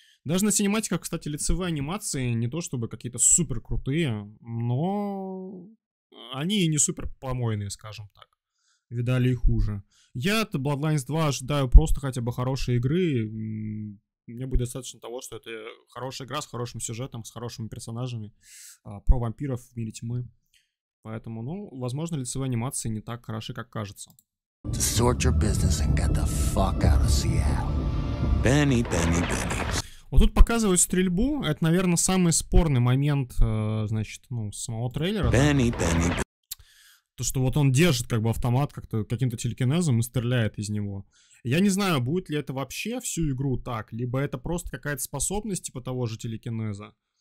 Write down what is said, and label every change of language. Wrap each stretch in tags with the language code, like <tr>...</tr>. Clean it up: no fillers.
<ru>Даже на синематиках, кстати, лицевые анимации не то чтобы какие-то супер крутые, но они и не супер помойные, скажем так. Видали и хуже. Я от Bloodlines 2 ожидаю просто хотя бы хорошей игры. Мне будет достаточно того, что это хорошая игра с хорошим сюжетом, с хорошими персонажами. Про вампиров в мире тьмы. Поэтому, ну, возможно, лицевые анимации не так хороши, как кажется.</ru> <en>To sort your business and get the fuck out of Seattle. Benny, Benny, Benny.</en> <ru>Вот тут показывают стрельбу. Это, наверное, самый спорный момент, значит, ну, самого трейлера.</ru> <en>Benny, Benny, Benny.</en> <ru>То, что вот он держит как бы автомат как-то каким-то телекинезом и стреляет из него. Я не знаю, будет ли это вообще всю игру так, либо это просто какая-то способность типа того же телекинеза.</ru>